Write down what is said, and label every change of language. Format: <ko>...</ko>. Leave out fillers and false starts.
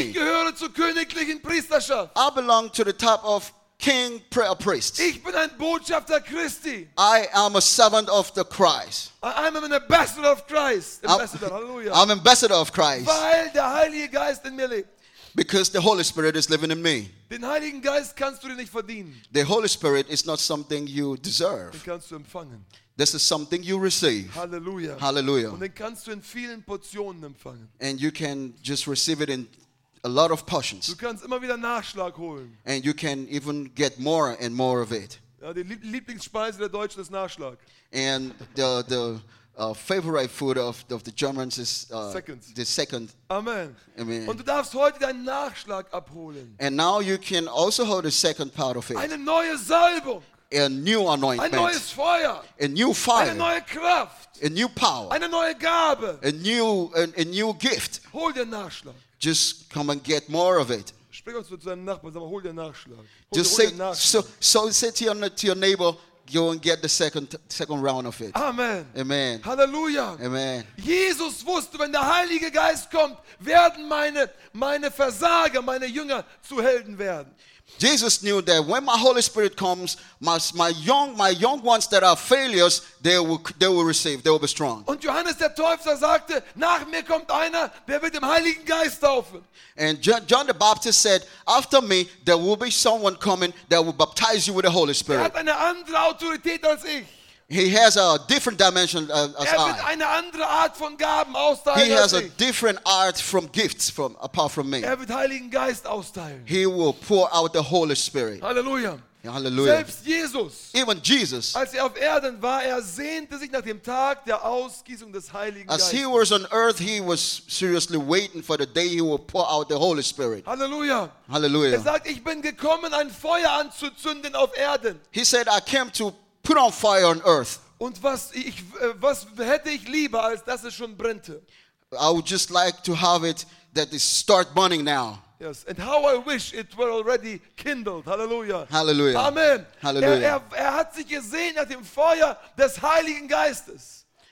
<de>Ich gehöre zur königlichen Priesterschaft.</de> <en>I belong to the type of King, prayer priest.</en> <de>Ich bin ein Botschafter Christi.</de> <en>I am a servant of the Christ. I'm an ambassador of Christ. Ambassador, hallelujah. I'm ambassador of Christ.</en> <de>Weil der Heilige Geist in mir lebt.</de> <en>Because the Holy Spirit is living in me.</en> <de>Den Heiligen Geist kannst du dir nicht verdienen.</de> <en>The Holy Spirit is not something you deserve.</en> <de>Den kannst du empfangen.</de> <en>This is something you receive. Hallelujah. Hallelujah.</en> <de>Und den kannst du in vielen Portionen empfangen.</de> <en>And you can just receive it in a lot of portions.</en> <de>Du kannst immer wieder Nachschlag holen.</de> <en>And you can even get more and more of it.</en> <de>Ja, die Lieblingsspeise der Deutschen ist Nachschlag.</de> <en>And the favorite food of the Germans is the second. Amen. Amen.</en> <de>Und du darfst heute deinen Nachschlag abholen.</de> <en>And now you can also hold the second part of it.</en> <de>Eine neue Salbung.</de> <en>A new anointment.</en> <de>Ein neues Feuer.</de> <en>A new fire.</en> <de>Eine neue Kraft.</de> <en>A new power.</en> <de>Eine neue Gabe.</de> <en>A new gift.</en> <de>Hol dir Nachschlag.</de> <en>Just come and get more of it.</en> <de>Sprich uns zu deinem Nachbarn, sag mal, hol dir Nachschlag.</de> <en>Just say so. Say to your neighbor, go and get the second round of it. Amen. Amen. Hallelujah. Amen.</en> <de>Jesus wusste, wenn der Heilige Geist kommt, werden meine Versager, meine Jünger zu Helden werden.</de> <en>Jesus knew that when my Holy Spirit comes, my young ones that are failures, they will receive, they will be strong.</en> <de>Und Johannes der Täufer sagte, nach mir kommt einer, der wird im Heiligen Geist taufen.</de> <en>And John the Baptist said, after me, there will be someone coming that will baptize you with the Holy Spirit.</en> <de>Er hat eine andere Autorität als ich.</de> <en>He has a different dimension as</en> <de>er wird</de> <en>I.</en> <de>Eine andere Art von Gaben austeilen</de> <en>he</en> <de>als</de> <en>has</en> <de>ich.</de> <en>A different art from gifts from apart from me.</en> <de>Er wird Heiligen Geist austeilen.</de> <en>He will pour out the Holy Spirit. Hallelujah. Hallelujah.</en> <de>Selbst Jesus,</de> <en>even Jesus,</en> <de>als er auf Erden war, er sehnte sich nach dem Tag der Ausgießung des Heiligen</de> <en>as</en> <de>Geistes.</de> <en>As he was on earth, he was seriously waiting for the day he will pour out the Holy Spirit. Hallelujah. Hallelujah.</en> <de>Er sagt, ich bin gekommen, ein Feuer anzuzünden auf Erden.</de> <en>He said, I came to put on fire on earth.</en> <de>Und was hätte ich lieber, als dass es schon brennte?</de> <en>I would just like to have it that it start burning now. Yes, and how I wish it were already kindled. Hallelujah. Hallelujah. Amen. Hallelujah.</en> <de>Er hat sich gesehen nach dem Feuer des Heiligen Geistes.</de>